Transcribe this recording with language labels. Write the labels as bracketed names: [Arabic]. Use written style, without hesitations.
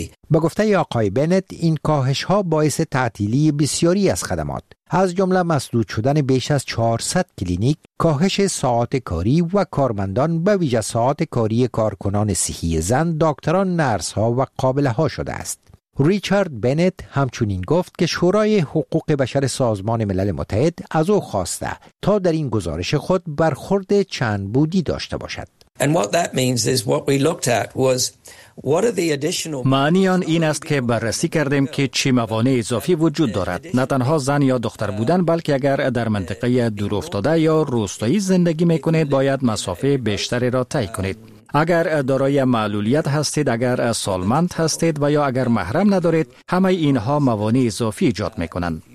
[Persian] به گفته آقای بنت، این کاهش ها باعث تعطیلی بسیاری از خدمات، از جمله مسدود شدن بیش از 400 کلینیک، کاهش ساعات کاری و کارمندان به ویژه ساعات کاری کارکنان صحی زن، دکتران، نرس ها و قابله ها شده است. ریچارد بنت همچنین گفت که شورای حقوق بشر سازمان ملل متحد از او خواسته تا در این گزارش خود برخورد چند بودی داشته باشد. [English] And what that means is what we looked at was what are the additional. [Persian] معنی آن این است که بررسی کردیم که چه موانع اضافی وجود دارد. نه تنها زن یا دختر بودن، بلکه اگر در منطقه دورافتاده یا روستایی زندگی میکنید باید مسافه بیشتری را طی کنید. اگر دارای معلولیت هستید، اگر سالمند هستید و یا اگر محرم ندارید، همه اینها موانع اضافی ایجاد میکنند.